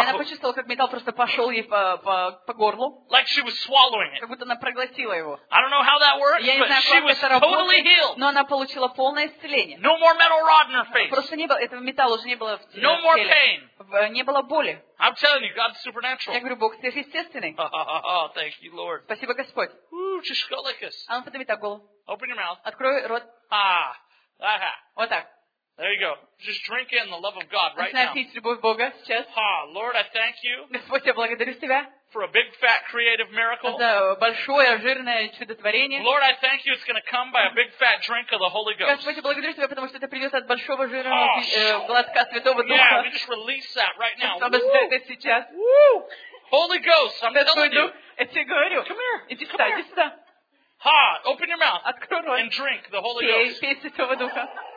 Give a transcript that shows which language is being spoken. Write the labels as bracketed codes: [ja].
[ru] Она почувствовала, как металл просто пошел ей по горлу. [en] Like she was swallowing it. [ru] Как будто она проглотила его. [en] I don't know how that works, but she was totally healed. [ru] Но она получила полное исцеление. [en] No more metal rod in her face. [ru] Этого металла уже не было в теле. [en] No more pain. [ru] Не было боли. [en] I'm telling you, God's supernatural. [ru] Я говорю, Бог сверхъестественный. [en] Thank you, Lord. [ru] Спасибо, Господь. [en] Ooh, just go like this. [ru] А ну подними так голову. [en] Open your mouth. [ru] Открой рот. Ah-ha. Вот так. [en] There you go. Just drink in the love of God right now. [ru] Начинай пить любовь Бога сейчас. [en] Ha, Lord, I thank you. [ru] Господь, я благодарю тебя. [en] For a big, fat, creative miracle. [ru] За большое, жирное чудотворение. [en] Lord, I thank you. It's going to come by a big, fat drink of the Holy Ghost. [ru] Господь, я благодарю тебя, потому что это придет от большого, жирного глотка Святого Духа. [en] Yeah, we just release that right now. [ru] Освобождай это сейчас. [en] Woo! Holy Ghost, I'm telling you. [ru] Это я говорю. [en] Come here. [ru] Иди сюда, иди сюда. [en] Ha, open your mouth. [ru] Открой рот. [en] And drink the Holy Ghost. [ru] Пей Святого Духа.